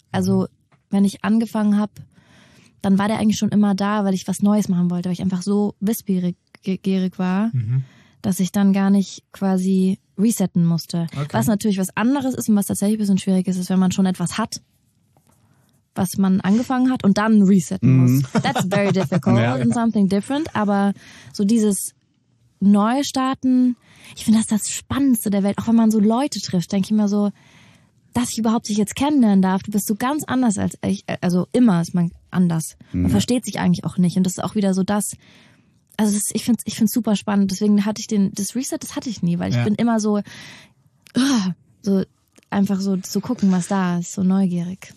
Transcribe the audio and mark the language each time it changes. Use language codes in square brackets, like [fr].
[de] Also wenn ich angefangen habe, dann war der eigentlich schon immer da, weil ich was Neues machen wollte, weil ich einfach so wissbegierig war, dass ich dann gar nicht quasi resetten musste. Okay. Was natürlich was anderes ist und was tatsächlich ein bisschen schwierig ist, ist, wenn man schon etwas hat, was man angefangen hat und dann resetten muss. [en] That's very difficult and something different. [de] Aber so dieses Neustarten, ich finde das Spannendste der Welt. Auch wenn man so Leute trifft, denke ich mir so, dass ich überhaupt dich jetzt kennenlernen darf, du bist so ganz anders als ich, also immer ist man anders. Man versteht sich eigentlich auch nicht und das ist auch wieder so das, also das ist, ich find's super spannend, deswegen hatte ich das Reset, das hatte ich nie, weil ich bin immer so, so einfach so zu gucken, was da ist, so neugierig.